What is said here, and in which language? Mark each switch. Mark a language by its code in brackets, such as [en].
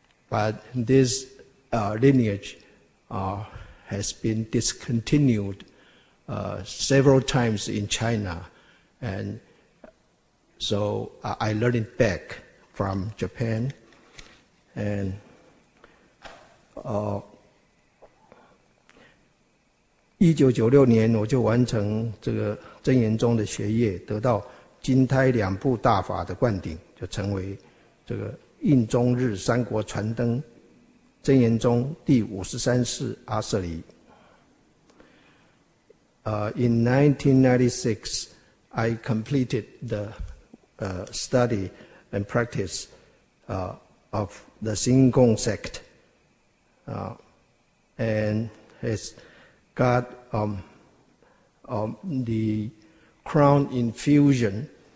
[en] But this lineage has been discontinued several times in China. And so I learned it back from Japan. [zh] And1996年我就完成这个真言宗的学业，得到金胎两部大法的灌顶，就成为这个印中日三国传灯真言宗第53世阿舍离。 [en] In 1996, I completed the study and practice of the Xingong sect, and has got the crown infusion.